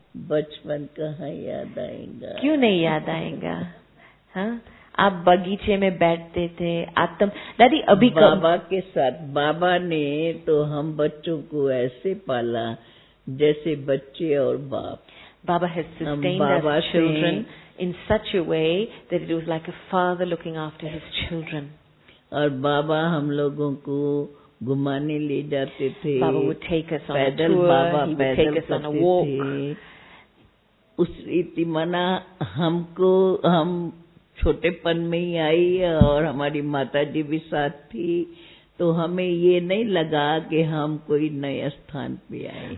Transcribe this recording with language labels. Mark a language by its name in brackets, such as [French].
[Hindi] बचपन कहाँ याद आएगा, क्यों नहीं याद आएगा? हाँ, आप बगीचे में बैठते थे आत्म दादी अभी बाबा के साथ। बाबा ने तो हम बच्चों को ऐसे पाला जैसे बच्चे और बाप। [English] Baba has sustained us children in such a way that it was like a father looking after his children. [Hindi] और बाबा हम लोगों को घुमाने ले जाते थे, पैदल बाबा पैदल करते थे। उस रीति मना हमको, हम छोटेपन में ही आई और हमारी माताजी भी साथ थी, तो हमें ये नहीं लगा कि हम कोई नए स्थान पे आए।